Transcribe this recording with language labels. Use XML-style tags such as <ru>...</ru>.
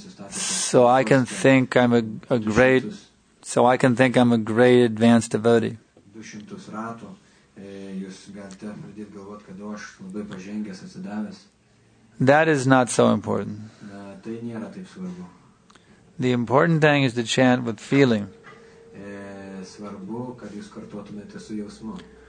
<en>So I can think I'm a great... So I can think I'm a great advanced devotee.</en> <lt>200 ratų, jūs galite pradėti galvot, kad aš labai pažengęs atsidavęs.</lt> <en>That is not so important.</en> <lt>Tai nėra taip svarbu.</lt> <en>The important thing is to chant with feeling.</en> <lt>Svarbu, kad jūs kartuotumėte su jausmu.</lt>